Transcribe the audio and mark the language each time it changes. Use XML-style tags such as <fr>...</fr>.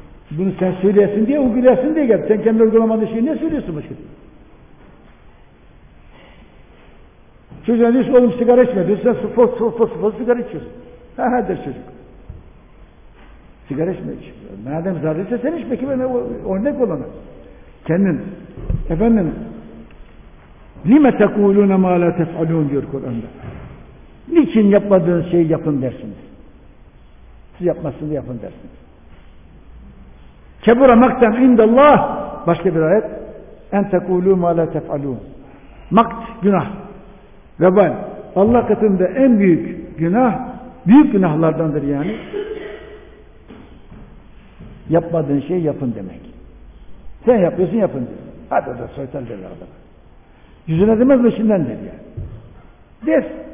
<tr>Bunu sen söyleyesin diye, uygulayasın diye geldi. Sen kendi uygulamadığın şeyi ne söylüyorsun başka? Çocuğa diyorsun, oğlum sigara içme. Diyorsun, sen sıfır sigara içiyorsun. Ha ha der çocuk. Sigara içme. Madem zararlıysa sen içme ki ben örnek olamam. Kendin. Efendim,</tr> <ar>لِمَ تَقُولُونَ مَا لَا تَفْعَلُونَ</ar> <tr>diyor Kur'an'da. Niçin yapmadığınız şeyi yapın dersiniz. Siz yapmazsınız, yapın dersiniz.</tr> <ar>كَبُرَ مَقْتًا عِنْدَ اللّٰهِ</ar> <tr>başka bir ayet.</tr> <ar>اَنْ تَقُولُوا مَا لَا تَفْعَلُونَ</ar> <tr>Makt, günah. Vebal. Allah katında en büyük günah, büyük günahlardandır yani. Yapmadığın şeyi yapın demek. Sen yapıyorsun, yapın diyor. Hadi o da soytan derler adamı. Yüzüne demez mi şimdiden der yani. Der.</tr>